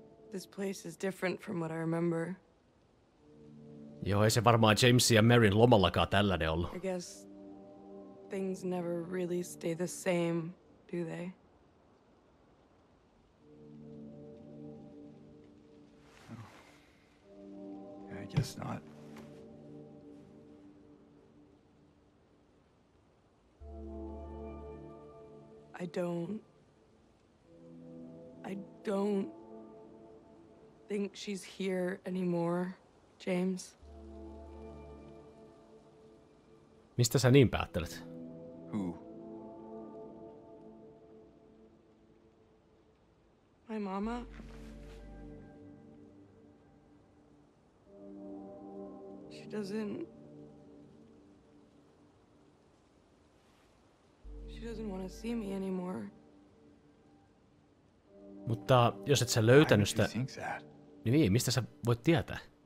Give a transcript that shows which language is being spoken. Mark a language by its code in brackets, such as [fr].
[en] This place is different from what I remember. [fi] Joo, ei se varmaan Jamesin ja Maryn lomallakaan tällainen ollut. [en] I guess things never really stay the same, do they? No. I guess not. I don't think she's here anymore, James. [fi] Mistä sä niin päättelet? [en] Who? My mama. She doesn't want to see me anymore. [fi] Mutta jos et sä löytänyt sitä... Niin niin, mistä sä voit tietää?